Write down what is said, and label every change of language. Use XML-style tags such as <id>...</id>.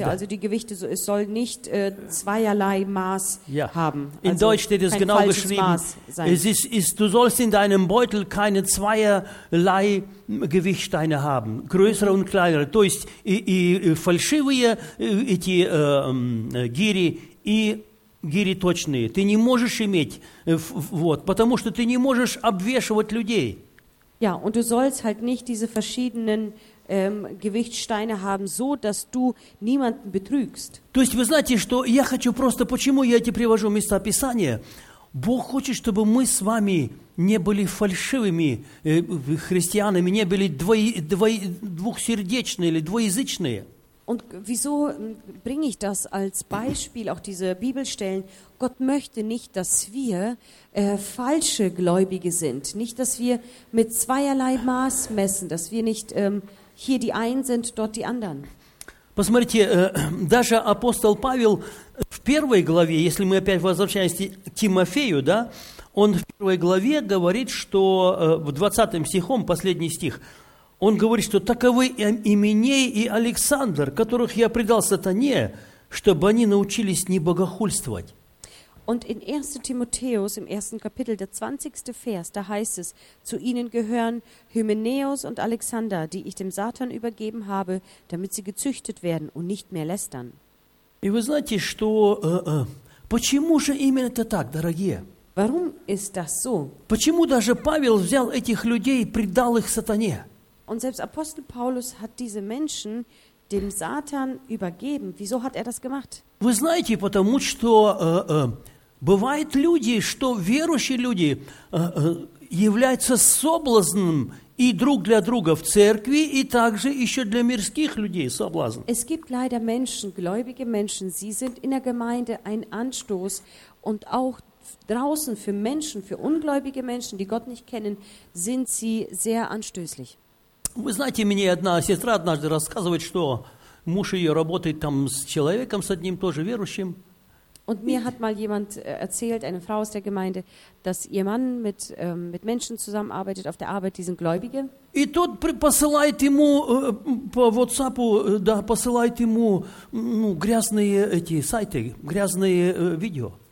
<de>Da. Also die Gewichte, so, es soll nicht zweierlei Maß ja. haben. Also in Deutsch steht es genau geschrieben, es ist, du sollst in deinem Beutel keine zweierlei Gewichtsteine haben, größere und kleinere.</de> <ru>То есть, фальшивые эти гири и гири точные. Ты не можешь иметь, вот, потому что ты не можешь обвешивать людей.</ru> <de>Ja, und du sollst halt nicht diese verschiedenen Gewichtssteine haben, so dass du niemanden betrügst.</de> <ru>То есть вы знаете, что я хочу просто, почему я эти привожу места Писания? Бог хочет, чтобы мы с вами не были фальшивыми христианами, не были двухсердечные или двуязычные.</ru> <de>Und wieso bringe ich das als Beispiel, auch diese Bibelstellen? Gott möchte nicht, dass wir falsche Gläubige sind. Nicht, dass wir mit zweierlei Maß messen. Dass wir nicht hier die einen sind, dort die anderen.</de> <ru>Посмотрите, даже апостол Павел в первой главе, если мы опять возвращаемся к Тимофею, да, он в первой главе говорит, что в 20 стихом, последний стих, он говорит, что таковы Именей и Александр, которых я предал сатане, чтобы они научились не богохульствовать.</ru> <de>Und in 1. Timotheus, im 1. Kapitel, der 20. Vers, da heißt es, zu ihnen gehören Hymenäus und Alexander, die ich dem Satan übergeben habe, damit sie gezüchtet werden und nicht mehr lästern.</de> <ru>И вы знаете, что... почему же именно это так, дорогие?</ru> <de>Warum ist das so?</de> <ru>Почему даже Павел взял этих людей и предал их сатане?</ru> <de>Und selbst Apostel Paulus hat diese Menschen dem Satan übergeben. Wieso hat er das gemacht?</de> <ru>Вы знаете, потому что бывают люди, что верующие люди являются соблазном и друг для друга в церкви, и также еще для мирских людей соблазн.</ru> <de>Es gibt leider Menschen, gläubige Menschen, sie sind in der Gemeinde ein Anstoß und auch draußen für Menschen, für ungläubige Menschen, die Gott nicht kennen, sind sie sehr anstößlich.</de> <ru>Вы знаете, мне одна сестра однажды рассказывает, что муж ее работает там с человеком, с одним тоже верующим.</ru> <de>Und mir hat mal jemand erzählt, eine Frau aus der Gemeinde, dass ihr Mann mit Menschen zusammenarbeitet auf der Arbeit, die sind Gläubige.</de> <ru>И тот посылает ему по WhatsApp, да, посылает ему грязные эти сайты, грязные видео.</ru>